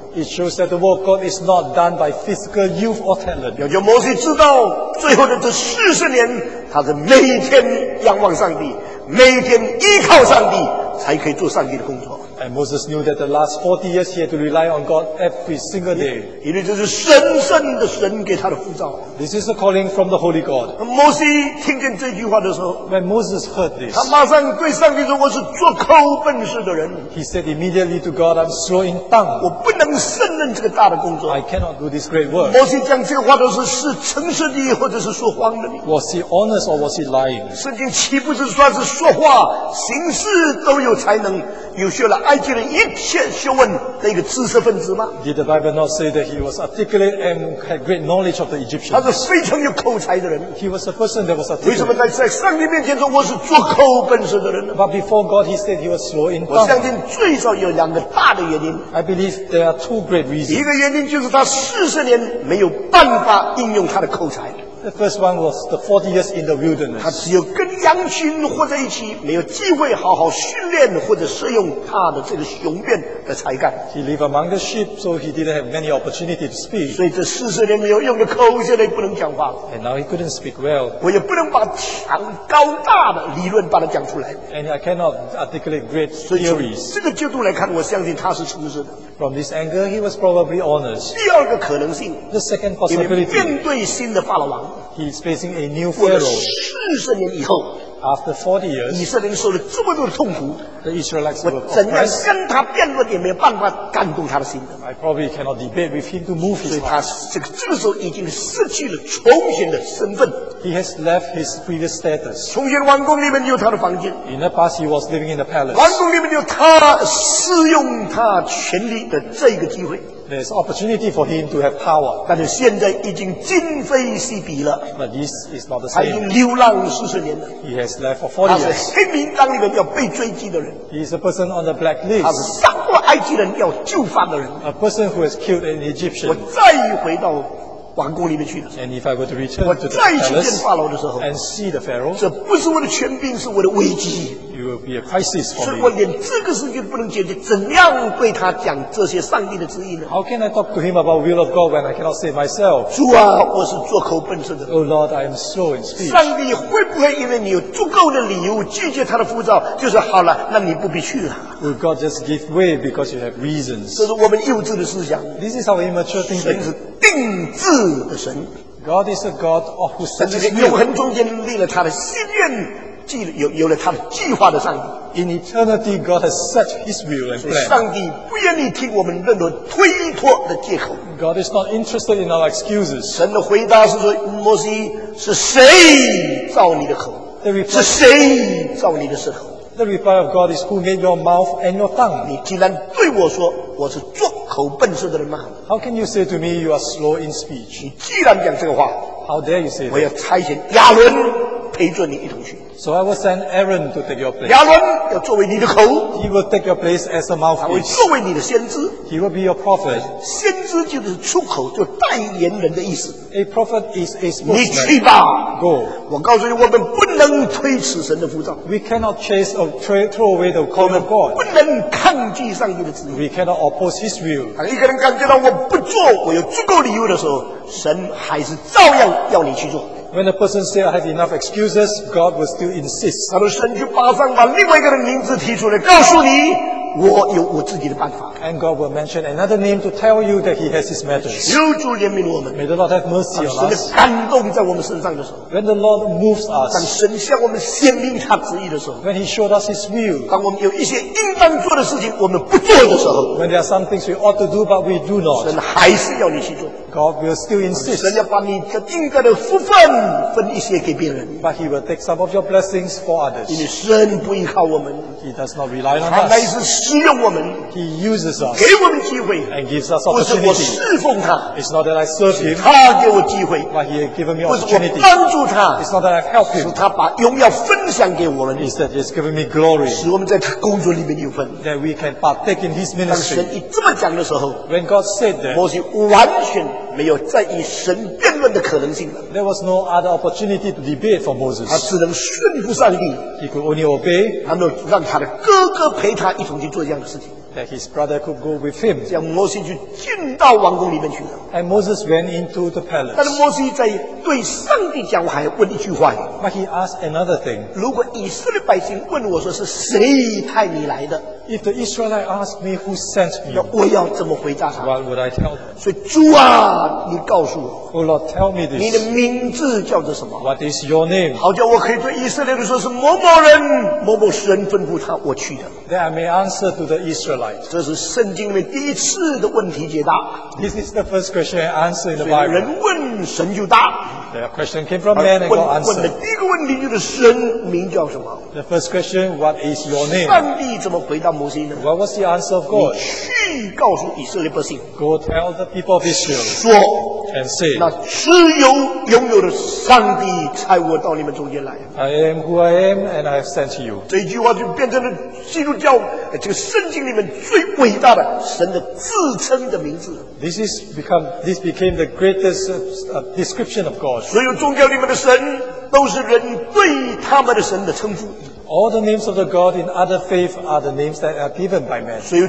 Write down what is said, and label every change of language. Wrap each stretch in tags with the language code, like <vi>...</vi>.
<en>It shows that the work of God is not done by physical youth or talent.</en> <zh>摩西知道最后的这40年, 他是每天仰望上帝, 每天依靠上帝, 才可以做上帝的工作。</zh> <en>And Moses knew that the last 40 years he had to rely on God every single day.</en> <zh>因为这是神圣的神给他的呼召。</zh> <en>This is a calling from the Holy God.</en> <zh>摩西听见这句话的时候,</zh> <en>when Moses heard this,</en> <zh>他马上对上帝说我是做口笨事的人。</zh> <en>He said immediately to God, I'm slowing tongue.</en> <zh>我不能胜任这个大的工作。</zh> <en>I cannot do this great work.</en> <zh>摩西讲这话的时候是诚实的或者是说谎的。</zh> <en>Was he honest or was he lying?</en> <zh>圣经岂不是说他是说话行事都有才能, 有学了埃及人一切学问的一个知识分子吗？</zh> <en>Did the Bible not say that he was articulate and had great knowledge of the Egyptians?</en> <zh>他是非常有口才的人。</zh> <en>He was a person that was articulate.</en> <zh>为什么在上帝面前说我是拙口笨舌的人呢？</zh> <en>But before God, he said he was slow in tongue.</en> <zh>我相信最少有两个大的原因。</zh> <en>I believe there are two great reasons.</en> <zh>一个原因就是他40年没有办法应用他的口才。</zh> <en>The first one was the 40 years in the wilderness.</en> <zh>他只有跟羊群混在一起，没有机会好好训练或者使用他的这个雄辩的才干。</zh> <en>He lived among the sheep, so he didn't have many opportunities to speak.</en> <zh>所以这40年没有用的口，现在不能讲话。</zh> <en>And now he couldn't speak well.</en> <zh>我也不能把强高大的理论把它讲出来。</zh> <en>And I cannot articulate great theories.</en> <zh>这个角度来看，我相信他是诚实的。</zh> <en>From this angle, he was probably honest.</en> <zh>第二个可能性，</zh> <en>the second possibility,</en> <zh>面对新的法老王。</zh> <en>He's facing a new pharaoh.</en> <zh>40年以后，</zh> <en>after 40 years,</en> <zh>以色列人受了这么多的痛苦，</zh> <en>the Israelites were oppressed.</en> <zh>我怎样跟他辩论也没有办法感动他的心。</zh> <en>I probably cannot debate with him to move his heart.</en> <zh>所以他这个时候已经失去了从前的身份。</zh> <en>He has left his previous status.</en> <zh>从前王宫里面有他的房间。</zh> <en>In the past, he was living in the palace.</en> <zh>王宫里面有他使用他权力的这个机会。</zh> <en>There's opportunity for him to have power.</en> <zh>但是现在已经今非昔比了。</zh> <en>But this is not the same.</en> <zh>他已经流浪40年了。</zh> <en>He has left for 40 years.</en> <zh>他是黑名单里面要被追击的人。</zh> <en>He is a person on the black list.</en> <zh>他是杀过埃及人要就范的人。</zh> <en>A person who has killed an Egyptian.</en> <zh>我再回到王宫里面去了。</zh> <en>And if I were to return to the palace and see the pharaoh,</en> <zh>这不是我的权柄，是我的危机。</zh> <en>It will be a crisis for me.</en> <zh>所以我连这个事情不能解决，怎样对他讲这些上帝的旨意呢？</zh> <en>How can I talk to him about will of God when I cannot say myself?</en> <zh>主啊，我是拙口笨舌的。</zh> <en>Oh Lord, I am slow in speech.</en> <zh>上帝会不会因为你有足够的理由拒绝他的呼召，就是好了，那你不必去了？</zh> <en>Will God just give way because you have reasons?</en> <zh>这是我们幼稚的思想。</zh> <en>This is our immature thinking.</en> <zh>神是定制的神。</zh> <en>God is a God of who sets his will.</en> <zh>永恒中间立了他的心愿。有了他的计划的上帝。</zh> <en>In eternity, God has set His will and plan.</en> <zh>上帝不愿意听我们任何推脱的借口。</zh> <en>God is not interested in our excuses.</en> <zh>神的回答是说：“摩西，是谁造你的口？</zh> <en>The reply,</en> <zh>是谁造你的舌头？”</zh> <en>The reply of God is, "Who made your mouth and your tongue?"</en> <zh>你既然对我说我是拙口笨舌的人吗？</zh> <en>How can you say to me you are slow in speech?</en> <zh>你既然讲这个话，</zh> <en>How dare you say that?</en> <zh>我要差遣亚伦陪着你一同去。</zh> <en>So I will send Aaron to take your place.</en> <zh>亚伦要作为你的口。</zh> <en>He will take your place as a mouthpiece.</en> <zh>他会作为你的先知。</zh> <en>He will be your prophet.</en> <zh>先知就是出口，就代言人的意思。</zh> <en>A prophet is a spokesman.</en> <zh>你去吧。</zh> <en>Go.</en> <zh>我告诉你，我们不能推迟神的呼召。</zh> <en>We cannot chase or throw away the call of God.</en> <zh>不能抗拒上帝的旨意。</zh> <en>We cannot oppose His will.</en> <zh>当一个人感觉到我不做，我有足够理由的时候，神还是照样要你去做。</zh> <en>When a person says, "I have enough excuses," God will still insist.</en> <zh>他说：“神去巴上把另外一个人名字提出来，告诉你，我有我自己的办法。”</zh> <en>And God will mention another name to tell you that He has His methods.</en> <zh>求主怜悯我们。</zh> <en>May the Lord have mercy on us.</en> <zh>神的感动在我们身上的时候。</zh> <en>When the Lord moves us.</en> <zh>当神向我们显明他旨意的时候。</zh> <en>When He showed us His will.</en> <zh>当我们有一些应当做的事情我们不做的时候。</zh> <en>When there are some things we ought to do but we do not.</en> <zh>神还是要你去做。</zh> <en>God will still insist.</en> <zh>神要把你的应该的福分分一些给别人。</zh> <en>But He will take some of your blessings for others.</en> <zh>因为神不依靠我们。</zh> <en>He does not rely on us.</en> <zh>他乃是使用我们。</zh> <en>He uses us.</en> <zh>给我们机会。</zh> <en>And gives us opportunity.</en> <zh>不是我侍奉他。</zh> <en>It's not that I serve Him.</en> <zh>他给我机会。</zh> <en>But He has given me opportunity.</en> <zh>不是我帮助他。</zh> <en>It's not that I've helped Him.</en> <zh>是他把荣耀分享给我们。</zh> <en>It's that He has given me glory.</en> <zh>使我们在他工作里面有份。</zh> <en>That we can partake in His ministry.</en> <zh>当神一这么讲的时候。</zh> <en>When God said that.</en> <zh>摩西完全没有再与神辩论的可能性了。</zh> <en>There was no other opportunity to debate for Moses.</en> <zh>他只能顺服上帝。</zh> <en>He could only obey.</en> <zh>然后让他的哥哥陪他一同去做这样的事情。</zh> <en>That his brother could go with him.</en> <zh>这样摩西就进到王宫里面去了。</zh> <en>And Moses went into the palace.</en> <zh>但是摩西在对上帝讲，我还要问一句话。</zh> <en>But he asked another thing.</en> <zh>如果以色列百姓问我说是谁派你来的？</zh> <en>If the Israelites asked me who sent me,</en> <zh>那我要怎么回答他？</zh> <en>What would I tell them?</en> <zh>所以主啊，你告诉我。</zh> <en>Oh Lord, tell me this.</en> <zh>你的名字叫做什么？</zh> <en>What is your name?</en> <zh>好叫我可以对以色列人说是某某人，某某神吩咐他我去的。</zh> <en>Then I may answer to the Israelites.</en> <zh>这是圣经里面第一次的问题解答。</zh> <en>This is the first question and answer in the Bible.</en> <zh>人问神就答。</zh> <en>The question came from man and God answered.</en> <zh>问的第一个问题就是神名叫什么？</zh> <en>The first question, what is your name?</en> <zh>上帝怎么回答摩西呢?</zh> <en>What was the answer of God?</en> <zh>你去告诉以色列百姓,</zh> <en>Go tell the people of Israel</en> <zh>说,</zh> <en>and say,</en> <zh>那自由拥有的上帝差我到你们中间来。</zh> <en>I am who I am and I have sent you.</en> <zh>这句话就变成了基督教, 这个圣经里面最伟大的神的自称的名字。</zh> <en>This became the greatest description of God.</en> <zh>所有宗教里面的神, 都是人对他们的神的称呼。</zh> <en>All the names of the God in other faith are the names that are given by man.</en>